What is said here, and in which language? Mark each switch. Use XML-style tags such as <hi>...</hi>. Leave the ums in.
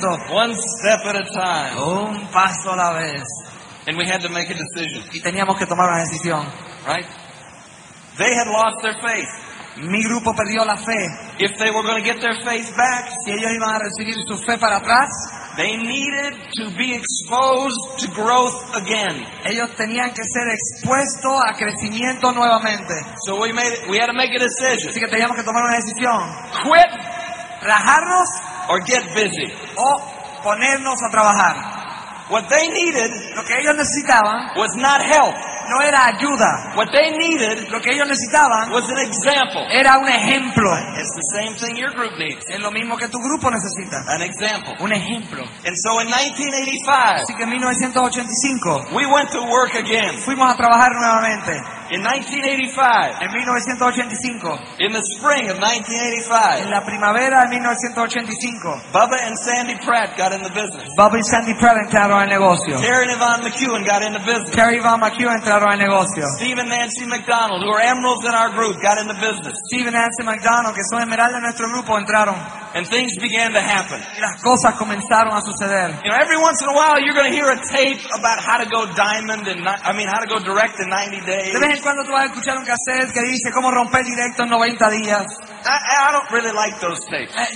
<en>One step at a time.</en> <es>Un paso a la vez.</es> <en>And we had to make a decision. decisión. Right? They had lost their faith.</en> <es>Mi grupo perdió la fe.</es> <en>If they were going to get their face back,</en> <es>si ellos iban a recibir su fe para atrás,</es> <en>they needed to be exposed to growth again.</en> <es>Ellos tenían que ser expuestos a crecimiento nuevamente.</es> <en>So we, made, we had to make a decision.</en> <es>Así que teníamos que tomar una decisión.</es> <en>Quit, rajarnos, or get busy.</en> <es>O ponernos a trabajar.</es> <en>What they needed,</en> <es>lo que ellos necesitaban,</es> <en>was not help</en> <es>no era ayuda.</es> <en>What they needed</en> <es>lo que ellos necesitaban</es> <en>was an example.</en> <es>era un ejemplo.</es> <en>It's the same thing your group needs.</en> <es>Es lo mismo que tu grupo necesita.</es> <en>An example.</en> <es>Un ejemplo.</es> <en>And so in 1985,</en> <es>Así que en 1985</es> <en>we went to work again.</en> <es>fuimos a trabajar nuevamente.</es> <en>In 1985,</en> <es>en 1985,</es> <en>in the spring of 1985,</en> <es>en la primavera de 1985,</es> <en>Bubba and Sandy Pratt got in the business.</en> <es>Bubba and Sandy Pratt entraron al negocio.</es> <en>Terry and Yvonne McEwen got in the business. Terry Yvonne McEwen</en> <es>entraron al negocio.</es> <en>Steve and Nancy McDonald, who are emeralds in our group, got in the business.</en> <es>Steve and Nancy McDonald, que son esmeraldas en nuestro grupo, entraron.</es> <en>And things began to happen.</en> <es>Y las cosas comenzaron a suceder.</es> <en>You know, every once in a while you're going to hear a tape about how to go diamond and not, I mean how to go direct in 90 days.</en> <es>De vez en cuando tú vas a escuchar un cassette que dice cómo romper directo en 90 días.</es> <en>I, I, don't really like those tapes.</en>